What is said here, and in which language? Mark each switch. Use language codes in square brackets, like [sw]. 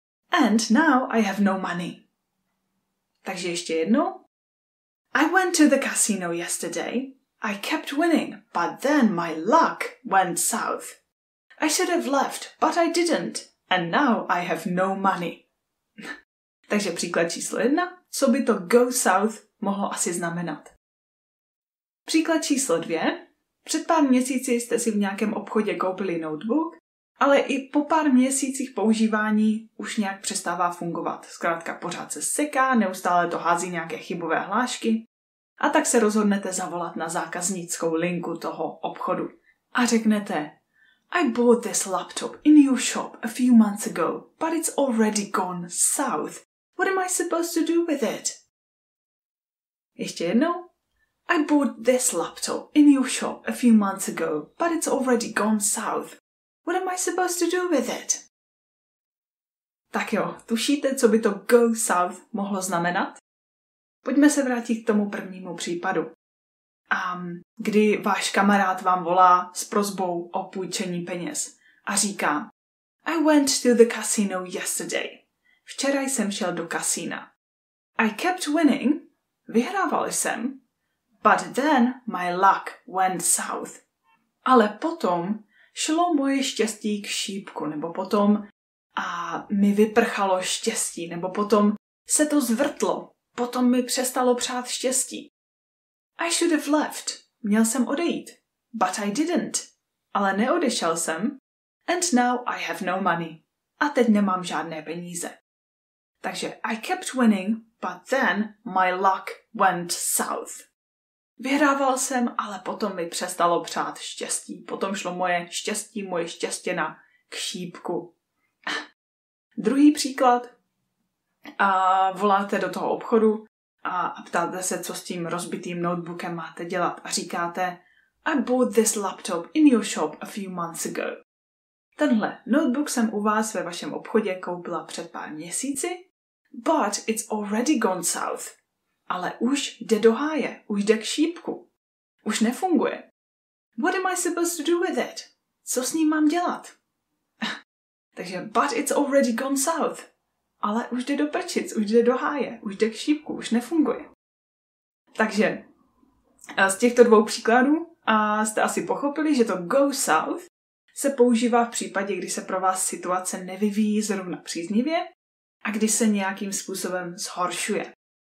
[en] And now I have no money. [cs] Takže ještě jednou. [en] I went to the casino yesterday. I kept winning, but then my luck went south. I should have left, but I didn't. And now I have no money. [cs] Takže příklad číslo jedna. Co by to go south mohlo asi znamenat? Příklad číslo dvě. Před pár měsíci jste si v nějakém obchodě koupili notebook, ale i po pár měsících používání už nějak přestává fungovat. Zkrátka pořád se seká, neustále to hází nějaké chybové hlášky a tak se rozhodnete zavolat na zákaznickou linku toho obchodu. A řeknete: [en] I bought this laptop in your shop a few months ago, but it's already gone south. What am I supposed to do with it? [cs] Ještě jednou. [en] I bought this laptop in your shop a few months ago, but it's already gone south. What am I supposed to do with it? [cs] Tak jo, tušíte, co by to go south mohlo znamenat? Pojďme se vrátit k tomu prvnímu případu. Kdy váš kamarád vám volá s prosbou o půjčení peněz a říká: [en] I went to the casino yesterday. [cs] Včera jsem šel do kasína. [en] I kept winning. [cs] Vyhrával jsem. [en] But then my luck went south. [cs] Ale potom šlo moje štěstí k šípku, nebo potom a mi vyprchalo štěstí, nebo potom se to zvrtlo, potom mi přestalo přát štěstí. [en] I should have left. [cs] Měl jsem odejít. [en] But I didn't. [cs] Ale neodešel jsem. [en] And now I have no money. [cs] A teď nemám žádné peníze. [en] Takže I kept winning, but then my luck went south. [cs] Vyhrával jsem, ale potom mi přestalo přát štěstí. Potom šlo moje štěstěna k šípku. Druhý příklad. A voláte do toho obchodu a ptáte se, co s tím rozbitým notebookem máte dělat. A říkáte: [en] I bought this laptop in your shop a few months ago. [cs] Tenhle notebook jsem u vás ve vašem obchodě koupila před pár měsíci. [en] But it's already gone south. [cs] Ale už jde do háje, už jde k šípku. Už nefunguje. [en] What am I supposed to do with it? [cs] Co s ním mám dělat? Takže, [en] but it's already gone south. [cs] Ale už jde do prčic, už jde do háje, už jde k šípku, už nefunguje. Takže, z těchto dvou příkladů jste asi pochopili, že to go south se používá v případě, kdy se pro vás situace nevyvíjí zrovna příznivě a kdy se nějakým způsobem zhoršuje.